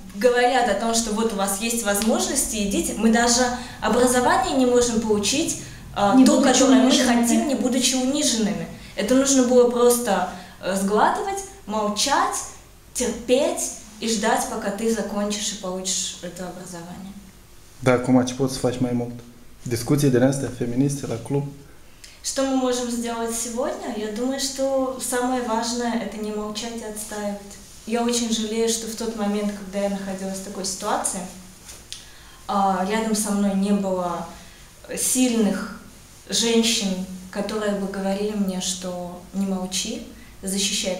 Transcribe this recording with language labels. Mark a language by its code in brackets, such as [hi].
[ru] говорят о том, что вот у вас есть возможности, идите, мы даже образование не можем получить, то, которое мы хотим, не будучи униженными. Это нужно было просто сглатывать, молчать, терпеть и ждать, пока ты закончишь и получишь это образование. Да, кума, [ro] ce poți să faci mai mult? Discuții din astea feministe la club? [ru] Что мы можем сделать сегодня? Я думаю, что самое важное – это не молчать и отстаивать. Я очень жалею, что в тот момент, когда я находилась в такой ситуации, рядом со мной не было сильных женщин, которые бы говорили мне, что не молчи, защищай.